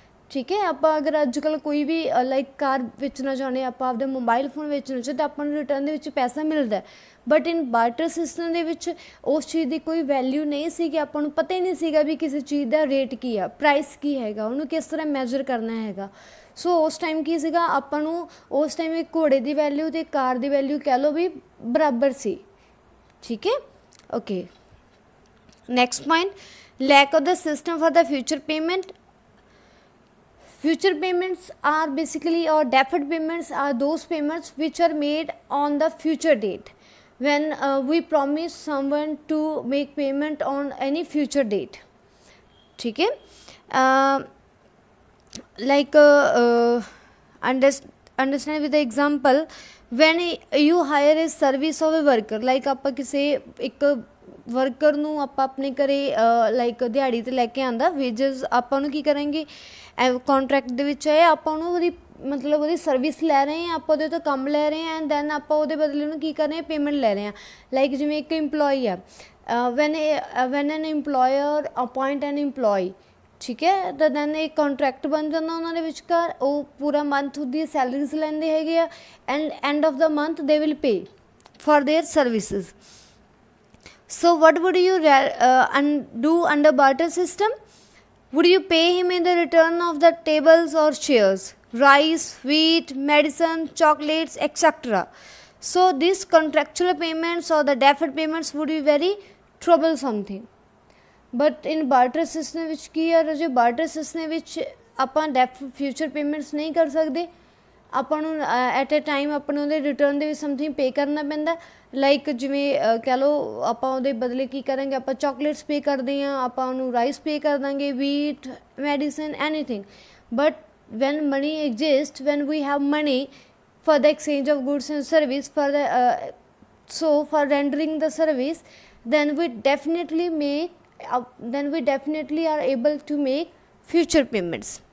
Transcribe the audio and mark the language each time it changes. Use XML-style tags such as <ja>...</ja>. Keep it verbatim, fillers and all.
<pa>ਠੀਕ ਹੈ, ਆਪਾਂ ਅਗਰ ਅੱਜ ਕੱਲ੍ਹ ਕੋਈ ਵੀ ਲਾਈਕ ਕਾਰ ਵੇਚਣਾ ਚਾਹੁੰਦੇ ਹਾਂ, ਆਪਾਂ ਆਪਦੇ ਮੋਬਾਈਲ ਫੋਨ ਵੇਚਣਾ ਚਾਹੁੰਦੇ ਤਾਂ ਆਪਾਂ ਨੂੰ ਰਿਟਰਨ ਦੇ ਵਿੱਚ ਪੈਸਾ ਮਿਲਦਾ, ਬਟ ਇਨ ਬਾਰਟਰ ਸਿਸਟਮ ਦੇ ਵਿੱਚ ਉਸ ਚੀਜ਼ ਦੀ ਕੋਈ ਵੈਲਿਊ ਨਹੀਂ ਸੀ, ਕਿ ਆਪਾਂ ਨੂੰ ਪਤਾ ਹੀ ਨਹੀਂ ਸੀਗਾ ਵੀ ਕਿਸੇ ਚੀਜ਼ ਦਾ ਰੇਟ ਕੀ ਆ, ਪ੍ਰਾਈਸ ਕੀ ਹੈਗਾ, ਉਹਨੂੰ ਕਿਸ ਤਰ੍ਹਾਂ ਮੈਜ਼ਰ ਕਰਨਾ ਹੈਗਾ. ਸੋ ਉਸ ਟਾਈਮ ਕੀ ਸੀਗਾ, ਆਪਾਂ ਨੂੰ ਉਸ ਟਾਈਮ ਇਹ ਘੋੜੇ ਦੀ ਵੈਲਿਊ ਤੇ ਕਾਰ ਦੀ ਵੈਲਿਊ ਕਹਿ ਲਓ ਵੀ ਬਰਾਬਰ ਸੀ. ਠੀਕ ਹੈ,</pa> <en>Okay, next point, lack of the system for the future payment. Future payments are basically, or deferred payments are those payments which are made on the future date. When uh, we promise someone to make payment on any future date.</en> <pa>ठीक है,</pa> <en>uh, like uh, uh, underst- understand with the example, when you hire a service of a worker, like</en> <pa>ਆਪਾਂ ਕਿਸੇ ਇੱਕ worker ਨੂੰ ਆਪਾਂ ਆਪਣੇ ਘਰੇ like ਦਿਹਾੜੀ ਤੇ ਲੈ ਕੇ ਆਂਦਾ, ਵੇਜਸ ਆਪਾਂ ਨੂੰ ਕੀ ਕਰਾਂਗੇ ਕੰਟਰੈਕਟ ਦੇ ਵਿੱਚ ਹੈ, ਆਪਾਂ ਨੂੰ ਉਹਦੀ ਮਤਲਬ ਉਹਦੀ ਸਰਵਿਸ ਲੈ ਰਹੇ ਹਾਂ, ਆਪਾਂ ਉਹਦੇ ਤੋਂ ਕੰਮ ਲੈ ਰਹੇ ਹਾਂ, ਐਂਡ ਦੈਨ ਆਪਾਂ ਉਹਦੇ ਬਦਲੇ ਨੂੰ ਕੀ ਕਰ ਰਹੇ ਹਾਂ, ਪੇਮੈਂਟ ਲੈ ਰਹੇ ਹਾਂ. ਲਾਈਕ ਜਿਵੇਂ ਇੱਕ EMPLOYEE ਆ,</pa> <en>when when an EMPLOYER appoint an EMPLOYEE,</en> <pa>ਠੀਕ ਹੈ, ਤਾਂ ਦੈਨ ਇਹ ਕੰਟਰੈਕਟ ਬਣ ਜਾਂਦਾ ਉਹਨਾਂ ਦੇ ਵਿਚਕਾਰ, ਉਹ ਪੂਰਾ ਮੰਥ ਉਹਦੀ ਸੈਲਰੀਜ਼ ਲੈਂਦੇ ਹੈਗੇ ਆ,</pa> <en>and end of the month they will pay for their</en> <pa>services.</pa> <en>So what would you ra- uh, un- do under barter system? Would you pay him in the return of the tables or shares, rice, wheat, medicine, chocolates, et cetera? So these contractual payments or the deferred payments would be very troublesome thing.</en> <pa>But in barter system ਵਿੱਚ ਕੀ ਹੈ ਰਾਜੇ, barter system ਵਿੱਚ ਆਪਾਂ ਡੈਫ future payments ਨਹੀਂ ਕਰ ਸਕਦੇ, ਆਪਾਂ ਨੂੰ ਐਟ ਅ ਟਾਈਮ ਆਪਾਂ ਨੂੰ ਉਹਦੇ ਰਿਟਰਨ ਦੇ ਵਿੱਚ ਸਮਥਿੰਗ ਪੇ ਕਰਨਾ ਪੈਂਦਾ. ਲਾਈਕ ਜਿਵੇਂ ਅਹ, ਕਹਿ ਲਓ ਆਪਾਂ ਉਹਦੇ ਬਦਲੇ ਕੀ ਕਰਾਂਗੇ, ਆਪਾਂ ਚਾਕਲੇਟਸ ਪੇ ਕਰਦੇ ਹਾਂ, ਆਪਾਂ ਉਹਨੂੰ ਰਾਈਸ ਪੇ ਕਰ ਦਾਂਗੇ, wheat, medicine, anything.</pa> <en>But when money exist, when we have money for the exchange of goods and service, for the uh, so for rendering the service, then we definitely make uh, then we definitely are able to make future payments.</en>